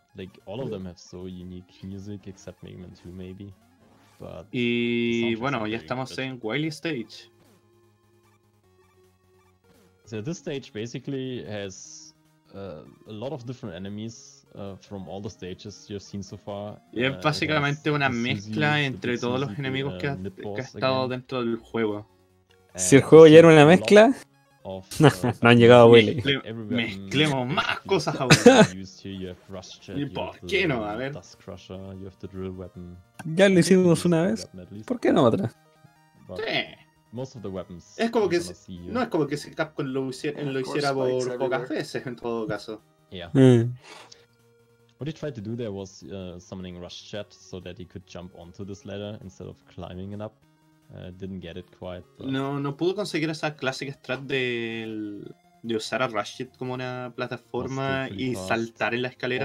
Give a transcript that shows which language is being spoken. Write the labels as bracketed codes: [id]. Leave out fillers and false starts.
[en] Like all of them have so unique music, except Mega Man 2 maybe. But [es] y bueno, ya estamos en Wily stage. [en] So this stage basically has a lot of different enemies. From all the stages you've seen so far, [es] y es básicamente una mezcla entre todos los enemigos que ha estado again dentro del juego. Si el juego ya era una mezcla, no han llegado a Willy. Mezclemos más cosas ahora. ¿Y por qué no? A ver. [en] Dust Crusher, you have the drill weapon. [es] Ya lo hicimos una vez. ¿Por qué no otra? [en] Most of the weapons [es] es como que no es como que si Capcom lo hiciera por pocas veces en todo caso. [en] What he tried to do there was summoning Rush Chat so that he could jump onto this ladder instead of climbing it up. Didn't get it quite. But... [es] No pudo conseguir esa clásica strat de usar a Rush Chat como una plataforma y saltar en la escalera.